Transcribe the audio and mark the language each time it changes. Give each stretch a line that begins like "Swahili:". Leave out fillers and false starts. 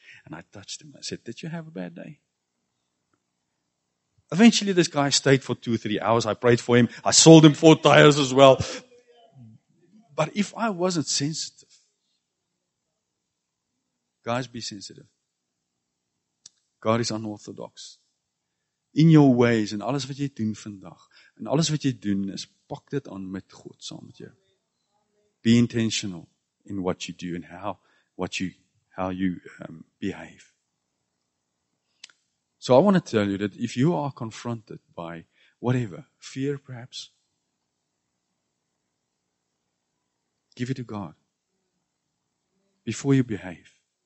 English: And I touched him. I said, did you have a bad day? Eventually, this guy stayed for 2-3 hours. I prayed for him. I sold him 4 tires as well. But if I wasn't sensitive, guys, be sensitive. God is unorthodox. In your ways,
Afrikaans: and alles wat jy doen vandag, and alles wat jy doen is, pak dit aan met God saam met jou.
English: Be intentional in what you do and how you behave. So I want to tell you that if you are confronted by whatever, fear perhaps, give it to God before you behave.